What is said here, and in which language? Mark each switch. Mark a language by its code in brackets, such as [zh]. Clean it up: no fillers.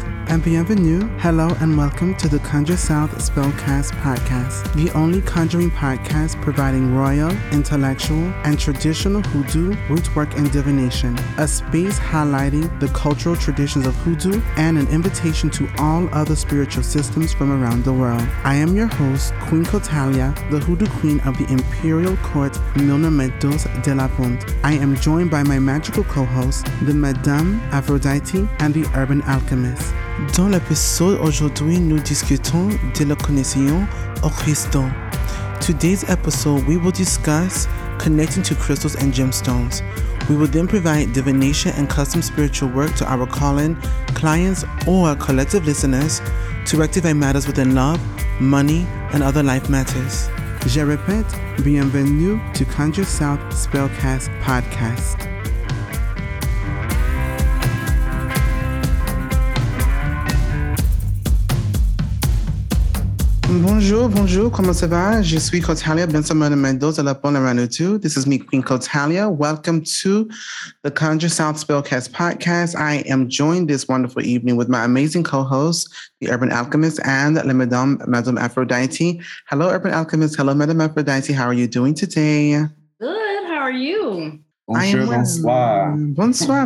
[en] And bienvenue, hello and welcome to the Conjure South Spellcast Podcast, the only conjuring podcast providing royal, intellectual, and traditional hoodoo rootwork and divination, a space highlighting the cultural traditions of hoodoo and an invitation to all other spiritual systems from around the world. I am your host, Queen Kotalia, the hoodoo queen of the Imperial Court Milnamentos de la Font. I am joined by my magical co-host, the Madame Aphrodite and the Urban Alchemist. [fr] Dans l'épisode aujourd'hui, nous discutons de la connexion au cristal. [en] Today's episode, we will discuss connecting to crystals and gemstones. We will then provide divination and custom spiritual work to our calling, clients, or collective listeners to rectify matters within love, money, and other life matters. [fr] Je répète, bienvenue [en] to Conjure South Spellcast Podcast. [fr] Bonjour, bonjour, comment ça va? Je suis Kotalia Benson-Mendoz de la Bonne Ranutu. [en] This is me, Queen Kotalia. Welcome to the Conjure South Spellcast Podcast. I am joined this wonderful evening with my amazing co-host, the Urban Alchemist, and la Madame, Madame Aphrodite. Hello, Urban Alchemist. Hello, Madame Aphrodite. How are you doing today? Good. How are you? [fr] Bonjour, bonsoir.